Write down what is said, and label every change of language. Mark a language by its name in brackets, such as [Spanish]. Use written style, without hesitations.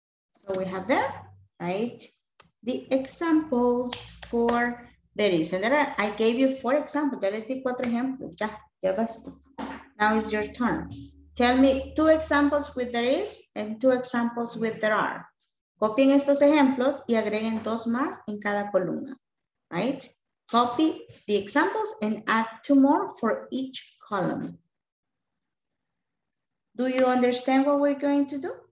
[English] So we have there, right? The examples for there is. And there are, I gave you four examples. [Spanish] Ya les di cuatro ejemplos. Ya, ya basta. [English] Now it's your turn. Tell me two examples with there is and two examples with there are. [Spanish] Copien estos ejemplos y agreguen dos más en cada columna. [English] Right? Copy the examples and add two more for each column. Do you understand what we're going to do?